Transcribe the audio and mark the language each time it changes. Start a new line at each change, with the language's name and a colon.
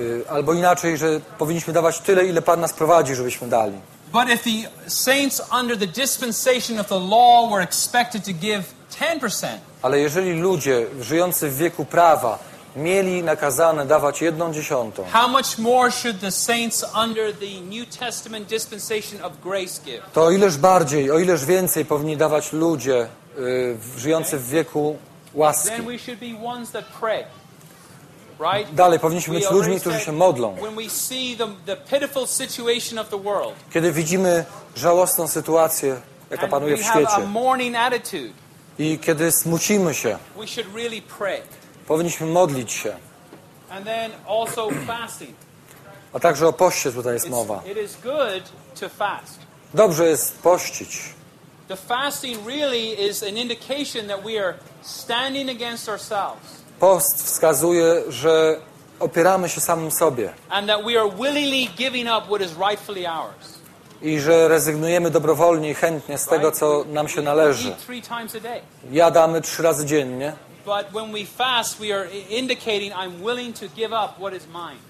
Polish: Albo inaczej, że powinniśmy dawać tyle, ile Pan nas prowadzi, żebyśmy dali.
English: But if the saints under the dispensation of the law were expected to give 10%.
Polish: Ale jeżeli ludzie żyjący w wieku prawa mieli nakazane dawać 1/10.
English: How much more should the saints under the New Testament dispensation of grace give?
Polish: To ileż bardziej, o ileż więcej powinni dawać ludzie żyjący w wieku łaski.
English: Then we should be ones that pray. Right?
Polish: Dalej powinniśmy być ludźmi, którzy się modlą.
English: When we see the pitiful situation of the world.
Polish: Kiedy widzimy żałosną sytuację, jaka panuje w świecie.
English: And we have a mourning attitude.
Polish: I kiedy smucimy się.
English: We should really pray.
Polish: Powinniśmy modlić się.
English: And then also fasting.
Polish: A także o poście tutaj jest mowa.
English: It is good to fast.
Polish: Dobrze jest pościć.
English: The fasting really is an indication that we are standing against ourselves.
Polish: Post wskazuje, że opieramy się samym sobie.
English: And that we are willingly giving up what is rightfully ours.
Polish: I że rezygnujemy dobrowolnie i chętnie z tego, co nam się należy.
English: We eat three times a day.
Polish: Jadamy trzy razy dziennie.
English: But when we fast, we are indicating I'm willing to give up what is mine.